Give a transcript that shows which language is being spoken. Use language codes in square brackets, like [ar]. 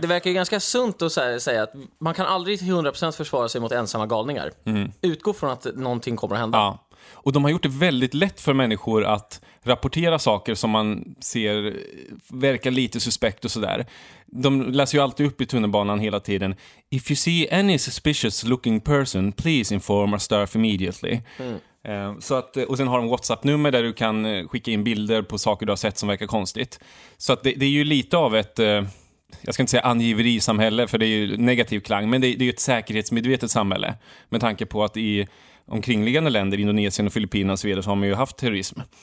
[sv] Det verkar ju ganska sunt att säga att man kan aldrig till 100% försvara sig mot ensamma galningar. Mm. Utgå från att någonting kommer att hända. Ja. Och de har gjort det väldigt lätt för människor att rapportera saker som man ser verkar lite suspekt och sådär. De läser ju alltid upp i tunnelbanan hela tiden. [en] If you see any suspicious looking person, please inform our staff immediately. Mm. [sv] Så att, och sen har de WhatsApp-nummer där du kan skicka in bilder på saker du har sett som verkar konstigt. Så att det är ju lite av ett, jag ska inte säga angiverisamhälle, för det är ju negativ klang, men det är ju ett säkerhetsmedvetet samhälle. Med tanke på att i omkringliggande länder, Indonesien och Filippinerna och så vidare, så har man ju haft terrorism.